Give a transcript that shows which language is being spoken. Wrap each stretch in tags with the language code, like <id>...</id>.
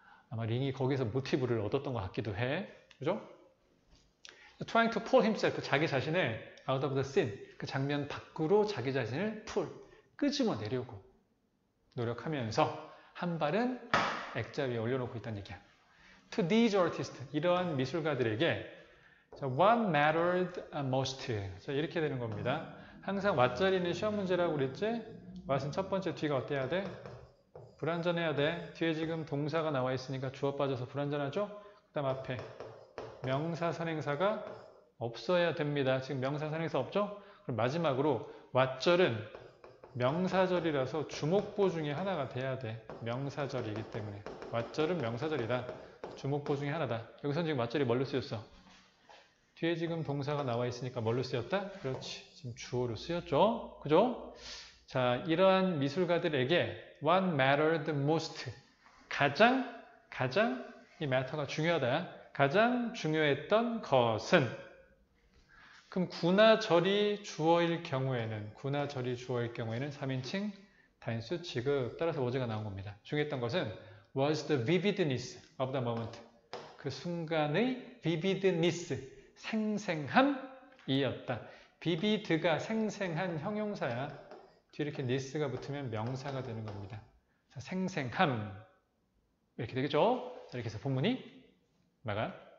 <ko>아마 링이 거기서 모티브를 얻었던 것 같기도 해. 그죠?</ko> <en>Trying to pull himself,</en> <ko>자기 자신을</ko> <en>out of the scene,</en> <ko>그 장면 밖으로 자기 자신을 pull, 끄집어 내려고 노력하면서 한 발은 액자 위에 올려놓고 있다는 얘기야.</ko> <en>To these artists,</en> <ko>이러한 미술가들에게</ko> <en>what mattered most?</en> <ko>자, 이렇게 되는 겁니다. 항상 what자리는 시험 문제라고 그랬지? what은 첫 번째, 뒤가 어때야 돼? 불완전해야 돼. 뒤에 지금 동사가 나와 있으니까 주어 빠져서 불완전하죠? 그 다음 앞에 명사 선행사가 없어야 됩니다. 지금 명사 선행사 없죠? 그럼 마지막으로 what절은 명사절이라서 주목보 중에 하나가 돼야 돼. 명사절이기 때문에 what절은 명사절이다. 주목보 중에 하나다. 여기서 지금 what절이 뭘로 쓰였어? 뒤에 지금 동사가 나와 있으니까 뭘로 쓰였다? 그렇지. 지금 주어로 쓰였죠. 그죠? 자, 이러한 미술가들에게</ko> <en>what mattered most,</en> <ko>가장 이 matter가 중요하다. 가장 중요했던 것은. 그럼 구나절이 주어일 경우에는, 구나절이 주어일 경우에는 3인칭 단수 지급 따라서 was가 나온 겁니다. 중요했던 것은</ko> <en>was the vividness of the moment,</en> <ko>그 순간의</ko> <en>vividness, 생생함이었다.</en> <ko>vivid가 생생한 형용사야. 뒤에 이렇게 ness가 붙으면 명사가 되는 겁니다. 자, 생생함 이렇게 되겠죠? 자, 이렇게 해서 본문이 마감.</ko>